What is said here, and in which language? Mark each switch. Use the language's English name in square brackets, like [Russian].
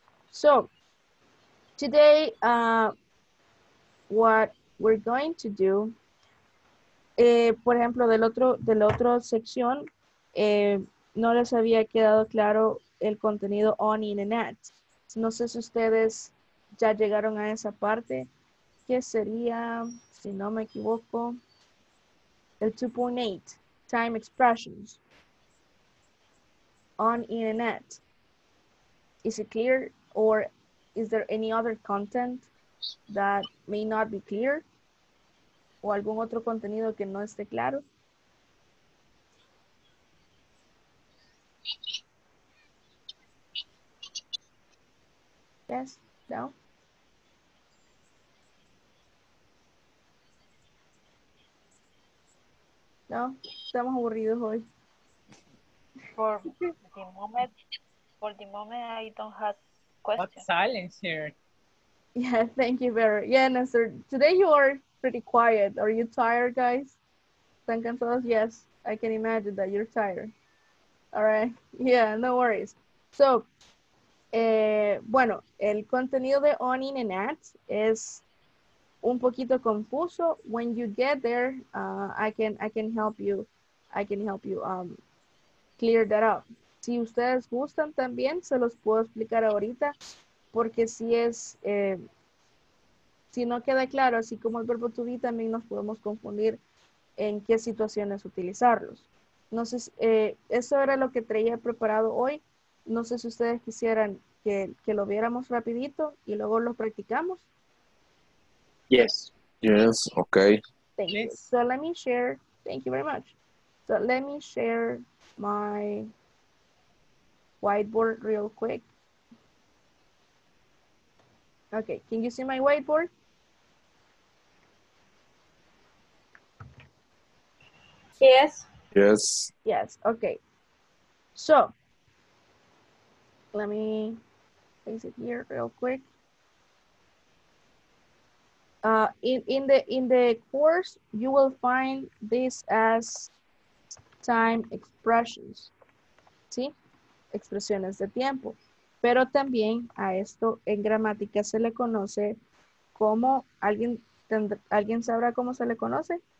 [English] So, today, what we're going to do, [Spanish] por ejemplo, del otro sección, no les había quedado claro el contenido on in and at. No sé si ustedes ya llegaron a esa parte, que sería, si no me equivoco, el 2.8, Time Expressions. [English] on internet? Is it clear, or is there any other content that may not be clear? [Spanish] ¿O algún otro contenido que no esté claro? [English] Yes, no. [Spanish] No, estamos aburridos hoy. [English] For the moment, I don't have questions. What silence here? Yeah, thank you, Vera. Yeah, Nestor, today you are pretty quiet. Are you tired, guys? [Spanish] ¿Están cansados? [English] Yes, I can imagine that you're tired. All right, yeah, no worries. [Spanish] So, bueno, el contenido de on internet es un poquito confuso. [English] When you get there, I can help you clear that up. [Spanish] Si ustedes gustan también, se los puedo explicar ahorita, porque si es, si no queda claro, así como el verbo to be, también nos podemos confundir en qué situaciones utilizarlos. No sé, eso era lo que traía preparado hoy. No sé si ustedes quisieran que lo viéramos rapidito y luego lo practicamos. [English] Yes. Yes, okay. Thank you. So let me share, thank you very much. So let me share my whiteboard real quick. Okay, can you see my whiteboard? Yes. Yes. Yes, okay. So, let me place it here real quick. In the course, you will find this as time expressions. [Spanish] ¿Sí? Expresiones de tiempo. Pero también a esto en gramática se le conoce como, ¿alguien sabrá cómo se le conoce?